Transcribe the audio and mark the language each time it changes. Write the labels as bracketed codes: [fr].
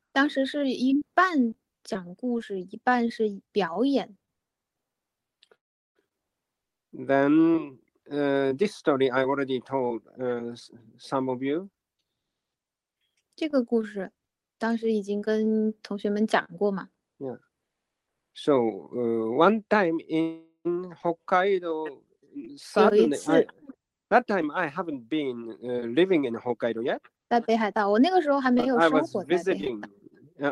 [zh] 当时是一半讲故事，一半是表演。 [en] Then, this story I already told some of you. [zh] 这个故事，当时已经跟同学们讲过嘛。 [en] Yeah. So, one time in Hokkaido, suddenly. That time I haven't been living in Hokkaido yet. [zh] 在北海道，我那个时候还没有生活在北海道。